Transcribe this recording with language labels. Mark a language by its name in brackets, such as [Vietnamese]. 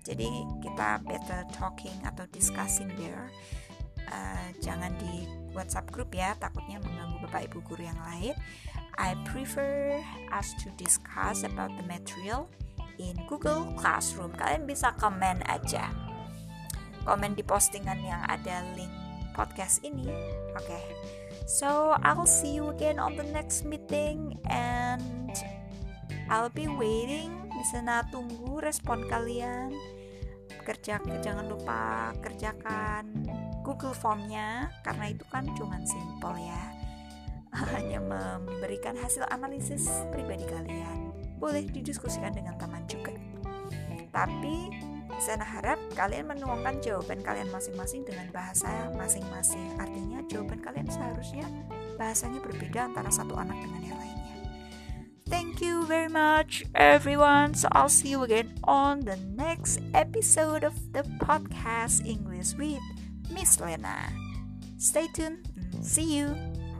[Indonesian] Jadi kita [English] better talking [Indonesian] atau [English] discussing there. [Indonesian] Jangan di WhatsApp group ya, takutnya mengganggu Bapak Ibu guru yang lain. [English] I prefer us to discuss about the material in Google Classroom. [Indonesian] Kalian bisa komen aja. Komen di postingan yang ada link podcast ini. [English] Okay. So, I'll see you again on the next meeting and I'll be waiting. [Indonesian] Misalnya tunggu respon kalian. Jangan lupa kerjakan Google Form-nya karena itu kan cuma simple ya. Hanya memberikan hasil analisis pribadi kalian. Boleh didiskusikan dengan teman juga. Tapi saya harap kalian menuangkan jawaban kalian masing-masing dengan bahasa masing-masing. Artinya jawaban kalian seharusnya bahasanya berbeda antara satu anak dengan yang lainnya. [English] Thank you very much everyone. So I'll see you again on the next episode of the podcast English with Miss Lena. Stay tuned. See you.